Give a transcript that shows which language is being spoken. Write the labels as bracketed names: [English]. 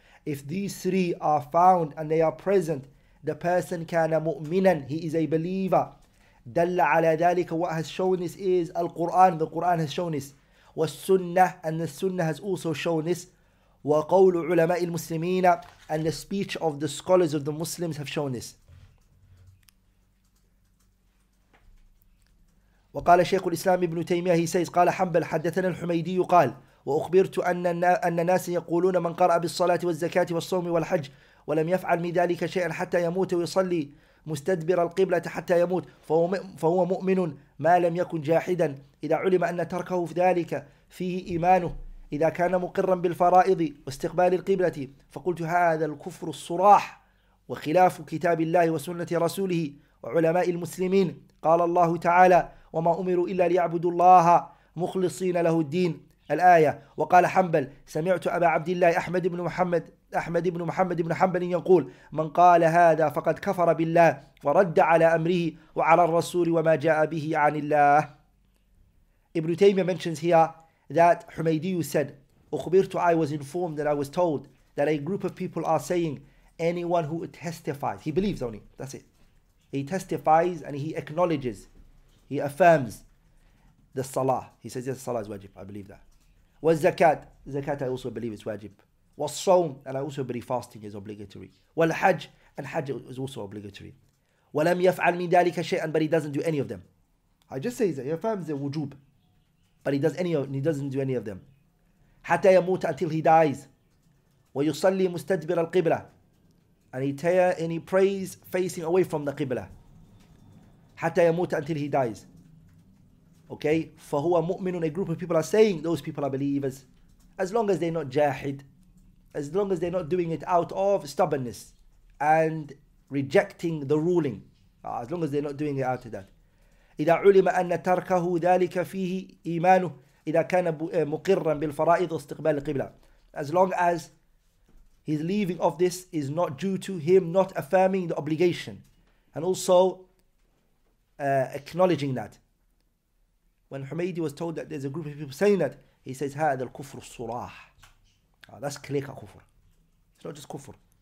[English] If these three are found and they are present, the person [Arabic] kana mu'minan, [English] he is a believer. [Arabic] Dalla ala dhalika, [English] what has shown this is al-Qur'an, the Qur'an has shown this. Was-sunnah, and the sunnah has also shown this. [Arabic] Wa qawlu ulama'i al-muslimina, [English] and the speech of the scholars of the Muslims have shown this. [Arabic] Wa qala shaykh al-Islam ibn Taymiyyah, [English] he says, [Arabic] qala hanbal haddathana al-humaydiyu qal, وأخبرت أن الناس يقولون من قرأ بالصلاة والزكاة والصوم والحج ولم يفعل من ذلك شيئا حتى يموت ويصلي مستدبر القبلة حتى يموت فهو مؤمن ما لم يكن جاحدا إذا علم أن تركه في ذلك فيه إيمانه إذا كان مقرا بالفرائض واستقبال القبلة فقلت هذا الكفر الصراح وخلاف كتاب الله وسنة رسوله وعلماء المسلمين قال الله تعالى وما أمروا إلا ليعبدوا الله مخلصين له الدين الآية وقال حنبل سمعت أبا عبد الله أحمد بن محمد بن حنبل يقول من قال هذا فقد كفر بالله ورد على أمره وعلى الرسول وما جاء به عن الله. [English] Ibn Taymiyyah mentions here that Humaydiyu said, [Arabic] أخبرتُ, [English] I was informed and I was told that a group of people are saying anyone who testifies, he believes only, that's it. He testifies and he acknowledges, he affirms the salah. He says, yes, salah is wajib. I believe that. [Arabic] والزكاه, [English] zakat I also believe is wajib. [Arabic] والصوم, [English] and I also believe fasting is obligatory. [Arabic] والحج, [English] and hajj is also obligatory. [Arabic] ولم يفعل من ذلك شيئا, [English] but he doesn't do any of them. I just say that he affirms the wujub, but he doesn't do any of them. [Arabic] حتى يموت, [English] until he dies. [Arabic] ويصلي مستدبر القبلة, [English] and he prays facing away from the qibla. [Arabic] حتى يموت, [English] until he dies. Okay, [Arabic] فهو مؤمن. [English] A group of people are saying those people are believers, as long as they're not jahid, as long as they're not doing it out of stubbornness and rejecting the ruling, as long as they're not doing it out of that. [Arabic] إذا علم أن تركه ذلك فيه إيمانه إذا كان مقرا بالفرائض واستقبال القبلة. [English] As long as his leaving of this is not due to him not affirming the obligation, and also acknowledging that. When Humaydi was told that there's a group of people saying that, he says, [Arabic] هذا الكفر الصراح. [English] That's clear cut kufr. It's not just kufr.